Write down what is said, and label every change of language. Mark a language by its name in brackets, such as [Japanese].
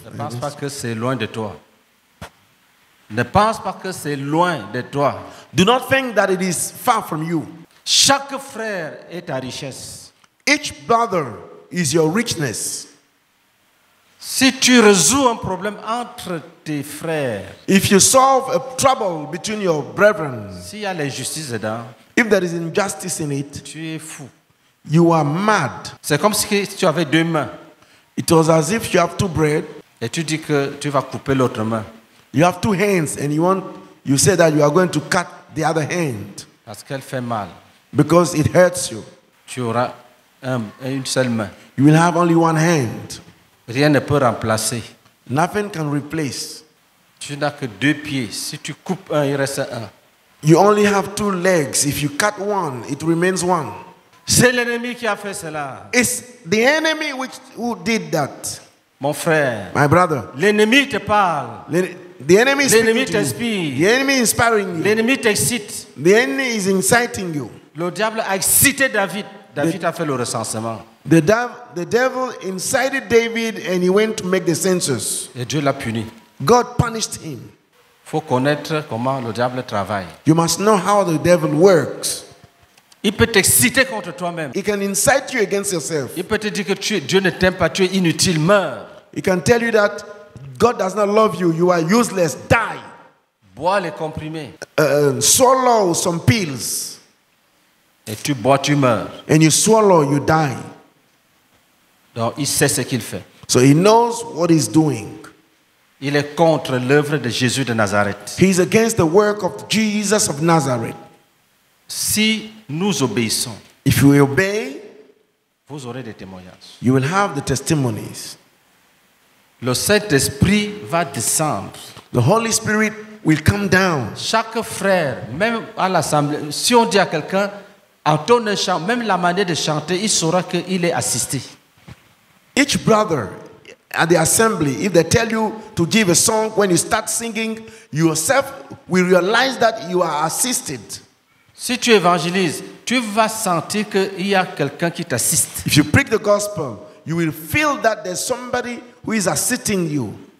[French] Ne pense pas que c'est loin de toi. Ne pense pas que c'est loin de toi. [English] Do not think that it is far from you. [French] Chaque frère est ta richesse. [English] Each brother is your richness. [French] Si tu résous un problème entre tes frères, [English] if you solve a trouble between your brethren, [French] s'il y a l'injustice dedans, [English] if there is injustice in it, [French] tu es fou. [English] You are mad. [French] C'est comme si tu avais deux mains. [English] It was as if you have two bread. [French] Et tu dis que tu vas couper l'autre main. [English] You have two hands and you say that you are going to cut the other hand. [French] Parce qu'elle fait mal. [English] Because it hurts you. [French] Tu auras une seule main. [English] You will have only one hand. [French] Rien ne peut remplacer. [English] Nothing can replace. [French] Tu n'as que deux pieds. Si tu coupes un, il reste un. [English] You only have two legs. If you cut one, it remains one. [French] C'est l'ennemi qui a fait cela. [English] It's the enemy who did that. [French] Mon frère. [English] My brother. [French] L'ennemi te parle. [English] The enemy is [French] l'ennemi [English] speaking to you. [French] T'inspire. [English] The enemy is inspiring you. [French] L'ennemi t'excite. [English] The enemy is inciting you. [French] Le diable a excité David. David a fait le recensement. [English] The devil incited David and he went to make the census. [French] Et Dieu l'a puni. [English] God punished him. [French] Faut connaître comment le diable travaille. [English] You must know how the devil works. [French] Il peut t'exciter contre toi-même. [English] He can incite you against yourself. [French] Il peut te dire que Dieu ne t'aime pas, tu es inutile, meurs. [English] He can tell you that God does not love you, you are useless, die. [French] Bois les comprimés. [English] Swallow some pills. [French] Et tu bois, tu meurs. [English] And you swallow, you die. [French] Donc, il sait ce qu'il fait. [English] So he knows what he's doing. [French] Il est contre l'œuvre de Jésus de Nazareth. [English] He's against the work of Jesus of Nazareth. [French] Si nous obéissons, [English] if we obey, [French] vous aurez des témoignages. [English] You will have the testimonies. [French] Le Saint-Esprit va descendre. [English] The Holy Spirit will come down. [French] Chaque frère, même à l'assemblée, si on dit à quelqu'un, entonne un chant, même la manière de chanter, il saura qu'il est assisté. [English] Each brother at the assembly, if they tell you to give a song, when you start singing, yourself will realize that you are assisted. [French] Si tu évangélises, tu vas sentir qu'il y a quelqu'un qui t'assiste. [English] If you preach the gospel, you will feel that there's somebody who is assisting you.